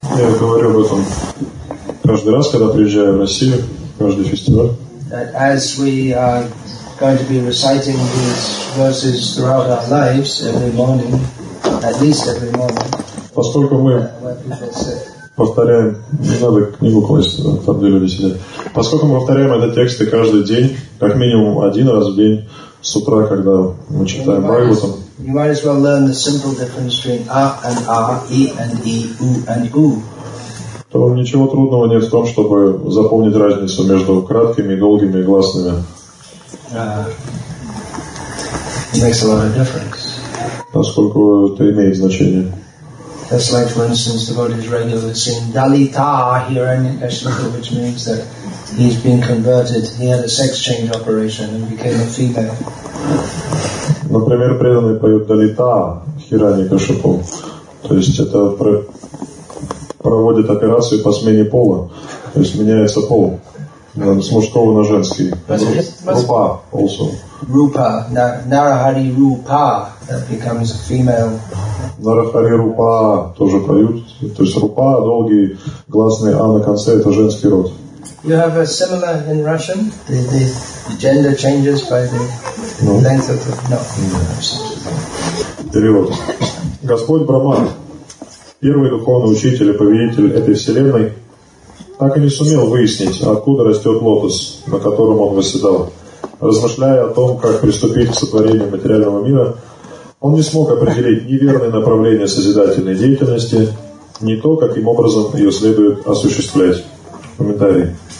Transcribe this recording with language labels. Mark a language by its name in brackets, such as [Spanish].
[Russian] Я говорю об этом каждый раз, когда приезжаю в Россию, каждый фестиваль. [English] That as we are going to be reciting these verses throughout our lives every morning, at least every morning. [Russian] Поскольку мы повторяем, не надо книгу класть, да, там где люди сидят. Поскольку мы повторяем эти тексты каждый день, как минимум один раз в день, с утра, когда мы читаем Бхагаватам. [English] You might as well learn the simple difference between A and R, E and E, U and U. [Russian] То ничего трудного нет в том, чтобы запомнить разницу между краткими, долгими и гласными. [English] It makes a lot of difference. [Russian] Поскольку это имеет значение. [English] That's like, for instance, the devotees regularly sing Dalita Hiranyakashipu, which means that he's been converted, he had a sex change operation and became a female. [Russian] Например, преданные поют Далита Хиранякашипу, то есть это проводит операцию по смене пола, то есть меняется пол с мужского на женский. [English] Рупа also. Рупа, Нарахари Рупа, that becomes a female. [Russian] Нарахари Рупа тоже поют. То есть Рупа, долгий гласный А на конце, это женский род. [English] You have a similar in Russian? The gender changes by the length of the... No. [Russian] Перевод. Господь Брахман, первый духовный учитель и повелитель этой вселенной, так и не сумел выяснить, откуда растет лотос, на котором он восседал. Размышляя о том, как приступить к сотворению материального мира, он не смог определить ни верное направление созидательной деятельности, ни то, каким образом ее следует осуществлять. Комментарий.